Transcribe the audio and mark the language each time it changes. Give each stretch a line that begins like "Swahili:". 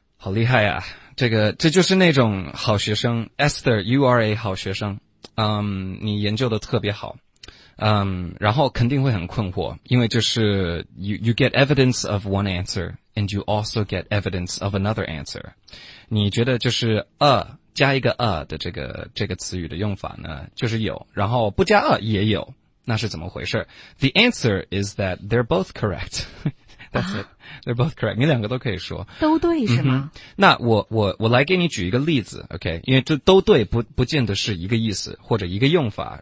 Chinese: 好厉害啊，这就是那种好学生。
English: Esther, you are a
Chinese: 好学生。你研究的特别好。然后肯定会很困惑，因为就是
English: you get evidence of one answer and you also get evidence of another answer.
Chinese: 你觉得就是 a 加一个 a 的这个词语的用法呢，就是有，然后不加 a 也有，那是怎么回事？
English: The answer is that they're both correct. That's it. They're both correct.
Chinese: 你两个都可以说。都对是吗？那我来给你举一个例子， OK? 因为这都对不见得是一个意思或者一个用法。